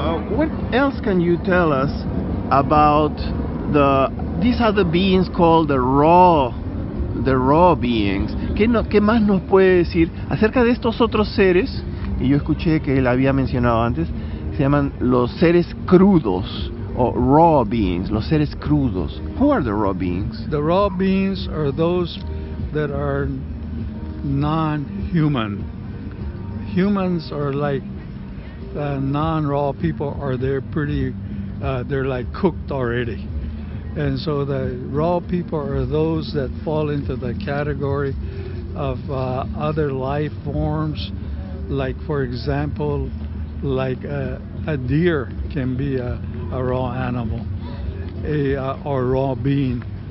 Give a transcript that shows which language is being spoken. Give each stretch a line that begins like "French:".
English: What else can you tell us about these other beings called the raw beings?
Spanish: ¿Qué más nos puede decir acerca de estos otros seres? Y yo escuché que él había mencionado antes, se llaman los seres crudos o
English: raw beings,
Spanish: los seres crudos.
English: Who are the raw beings? The raw beings are those that are non-human. Humans are like non-raw people, are they're pretty, they're like cooked already. And so the raw people are those that fall into the category of other life forms, like, for example, like a deer can be a raw animal, a raw being.